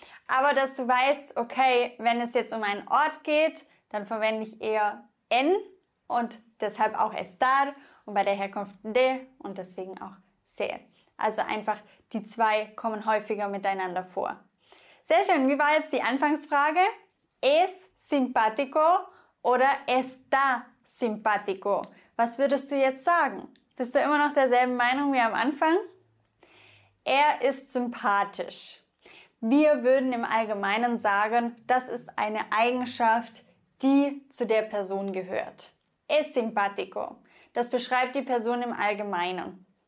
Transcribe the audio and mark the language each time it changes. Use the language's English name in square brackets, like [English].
[German] Aber dass du weißt, okay, wenn es jetzt um einen Ort geht, dann verwende ich eher en und deshalb auch estar und bei der Herkunft de und deswegen auch ser. Also einfach, die zwei kommen häufiger miteinander vor. Sehr schön, wie war jetzt die Anfangsfrage? [Spanish] ¿Es simpático [German] oder [Spanish] está simpático? [German] Was würdest du jetzt sagen? Bist du immer noch derselben Meinung wie am Anfang? Er ist sympathisch. Wir würden im Allgemeinen sagen, das ist eine Eigenschaft, die zu der Person gehört. [Spanish] Es simpático. [German] Das beschreibt die Person im Allgemeinen.